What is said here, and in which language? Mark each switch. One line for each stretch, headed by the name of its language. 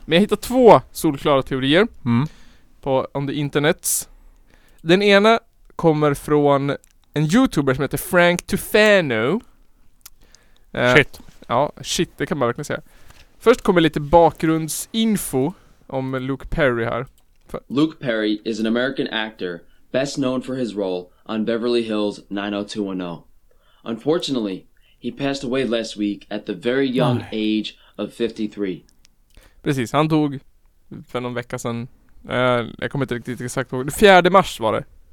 Swedish: Men jag hittade två solklara teorier på
English: on the internets.
Swedish: Den ena kommer från... En youtuber som heter Frank Tufano. Shit. Ja, shit, det kan man verkligen säga. Först kommer lite bakgrundsinfo om Luke Perry här.
English: Luke Perry is an American actor, best known for his role on Beverly Hills 90210. Unfortunately, he passed away last week at the very young age of 53.
Swedish: Precis, han dog för någon vecka sedan. Jag kommer inte riktigt exakt ihåg. 4 mars var det.